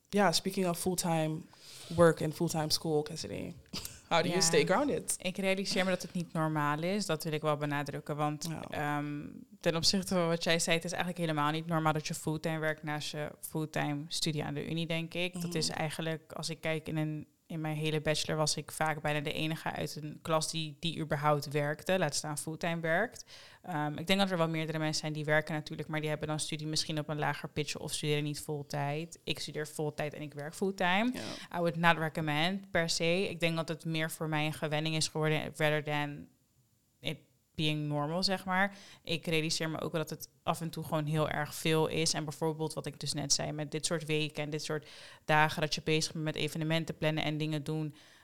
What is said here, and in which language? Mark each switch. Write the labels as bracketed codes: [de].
[en] Speaking of fulltime work [nl] en [en] fulltime school, Cassidy, how do you stay grounded? [nl] Ik realiseer me dat het niet normaal is. Dat wil ik wel benadrukken. Want ten opzichte van wat jij zei, het is eigenlijk helemaal niet normaal dat je fulltime werkt naast je fulltime studie aan de uni, denk ik. Mm-hmm. Dat is eigenlijk, als ik kijk in mijn hele bachelor, was ik vaak bijna de enige uit een klas die überhaupt werkte. Laat staan fulltime werkt. Ik denk dat er wel meerdere mensen zijn die werken natuurlijk, maar die hebben dan studie misschien op een lager pitch of studeren niet voltijd. Ik studeer voltijd en ik werk fulltime. [en] Yeah. I would not recommend per se. [nl] Ik denk dat het meer voor mij een gewenning is geworden [en] rather than it being normal, [nl] zeg maar. Ik realiseer me ook dat het af en toe gewoon heel erg veel is. En bijvoorbeeld wat ik dus net zei, met dit soort weken en dit soort dagen dat je bezig bent met evenementen plannen en dingen doen,